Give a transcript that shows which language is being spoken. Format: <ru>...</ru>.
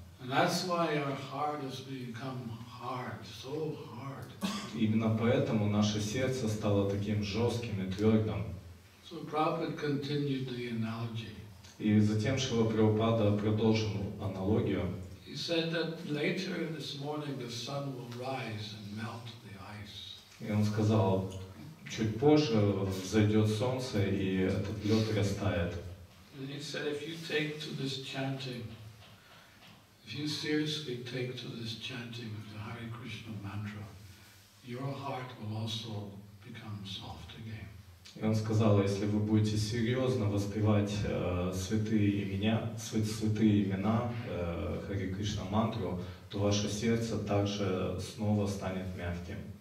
<en>And that's why our heart has become hard, so hard.</en> <ru>Именно поэтому наше сердце стало таким жестким и твердым.</ru> <en>So Prabhupada continued the analogy.</en> <ru>И затем Шрила Прабхупада продолжил аналогию.</ru> <en>He said that later this morning the sun will rise and melt the ice.</en> <ru>И он сказал, чуть позже взойдет солнце и этот лед растает.</ru> <en>And he said, if you take to this chanting, if you seriously take to this chanting of the Hare Krishna mantra, your heart will also become soft again.</en> <ru>И он сказал, если вы будете серьезно воспевать святые имена Хари Кришна мантру, то ваше сердце также снова станет мягким.</ru>